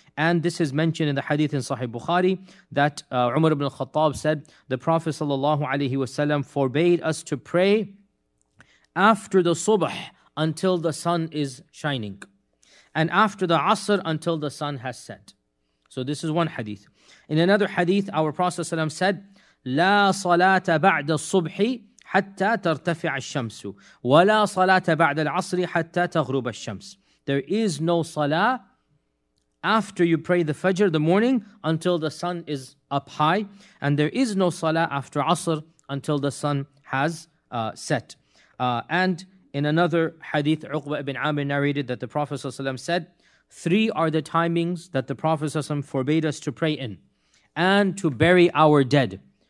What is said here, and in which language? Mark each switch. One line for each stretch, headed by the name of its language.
English: And this is mentioned in the hadith in Sahih Bukhari that Umar ibn al-Khattab said, the Prophet sallallahu alaihi wasallam forbade us to pray after the subh until the sun is shining, and after the asr until the sun has set. So this is one hadith. In another hadith, our Prophet ﷺ said,
Arabic: "La salat بعد الصبح حتى ترتفع الشمس, ولا صلاة بعد العصر حتى تغرب الشمس."
English: There is no salah after you pray the Fajr, the morning, until the sun is up high, and there is no salah after Asr until the sun has set. And in another hadith, Uqba ibn Amir narrated that the Prophet ﷺ said, three are the timings that the Prophet ﷺ forbade us to pray in and to bury our dead.